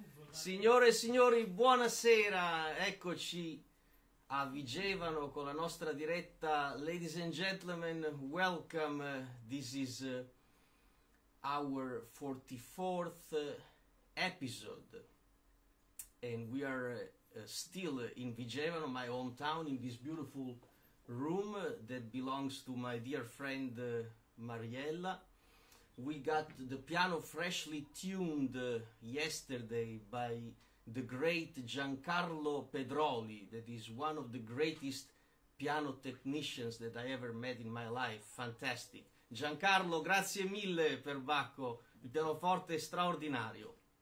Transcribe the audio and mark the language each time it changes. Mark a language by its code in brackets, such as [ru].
[it] Signore e signori, buonasera, eccoci a Vigevano con la nostra diretta. [en] Ladies and gentlemen, welcome, this is our 44th episode and we are still in Vigevano, my hometown, in this beautiful room that belongs to my dear friend Mariella. We got the piano freshly tuned yesterday by the great Giancarlo Pedroli, that is one of the greatest piano technicians that I ever met in my life. Fantastic. [it] Giancarlo, grazie mille per Bacco, il pianoforte straordinario.